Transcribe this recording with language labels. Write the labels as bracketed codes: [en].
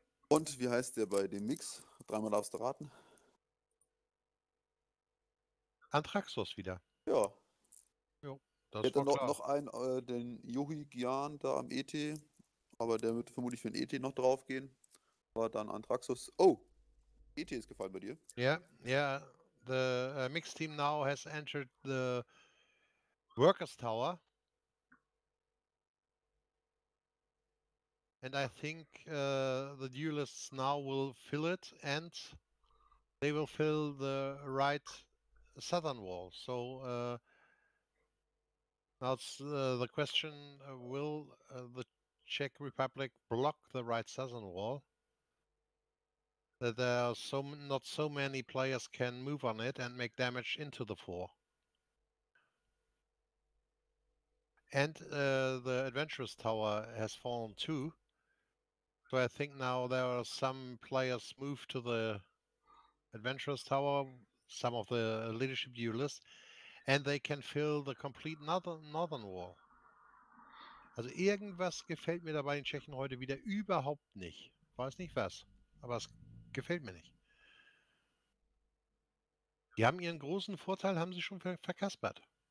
[de] Und wie heißt der bei dem Mix? Dreimal darfst du raten. Anthraxos wieder. Ja. Jo, das hätte war noch, klar. Noch einen, den Juhi Gian da am ET. Aber der wird vermutlich für den ET noch drauf gehen. War dann Anthraxos. Oh, ET ist gefallen bei dir. Ja, yeah, ja. Yeah. [en] The Mix Team now has entered the Workers Tower. And I think the duelists now will fill it, and they will fill the right southern wall. So now it's the question, will the Czech Republic block the right southern wall? That there are not so many players can move on it and make damage into the four. And the adventurer's tower has fallen too. So I think now there are some players moved to the Adventurer's Tower, some of the leadership duelists, and they can fill the complete northern wall. [de] Also irgendwas gefällt mir dabei den Tschechen heute wieder überhaupt nicht. Weiß nicht was, aber es gefällt mir nicht. Die haben ihren großen Vorteil, haben sie schon verkaspert.